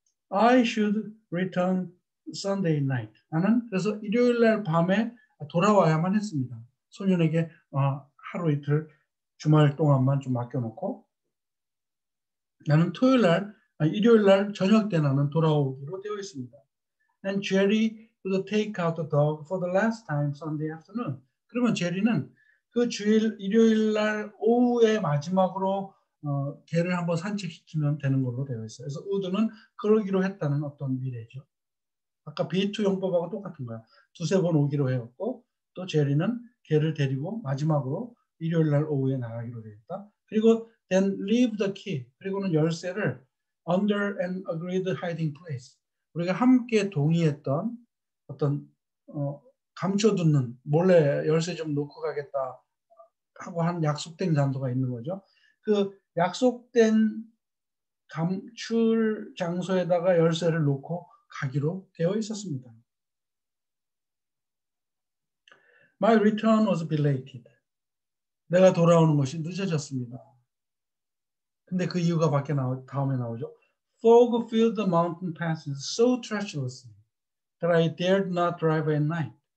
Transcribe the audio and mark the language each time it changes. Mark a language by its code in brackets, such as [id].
[en] I should return Sunday night. [ko] 나는 그래서 일요일날 밤에 돌아와야만 했습니다. 소년에게 하루 이틀 주말 동안만 좀 맡겨놓고 나는 일요일날 저녁 때 나는 돌아오기로 되어 있습니다. [en] And Jerry would take out the dog for the last time Sunday afternoon. [ko] 그러면 제리는 그 주일 일요일날 오후에 마지막으로 개를 한번 산책시키면 되는 걸로 되어 있어요. 그래서 우드는 그러기로 했다는 어떤 미래죠. 아까 B2 용법하고 똑같은 거야. 두세 번 오기로 해왔고 또 제리는 개를 데리고 마지막으로 일요일날 오후에 나가기로 되었다. 그리고 [en] then leave the key. [ko] 그리고는 열쇠를 [en] under an agreed hiding place. [ko] 우리가 함께 동의했던 어떤 감춰두는 몰래 열쇠 좀 놓고 가겠다 하고 한 약속된 장소가 있는 거죠. 그 약속된 감출 장소에다가 열쇠를 놓고 가기로 되어 있었습니다. [en] My return was belated. [ko] 내가 돌아오는 것이 늦어졌습니다. 근데 그 이유가 밖에 나오 다음에 나오죠. [en] Fog filled the mountain passes so treacherously that I dared not drive at night.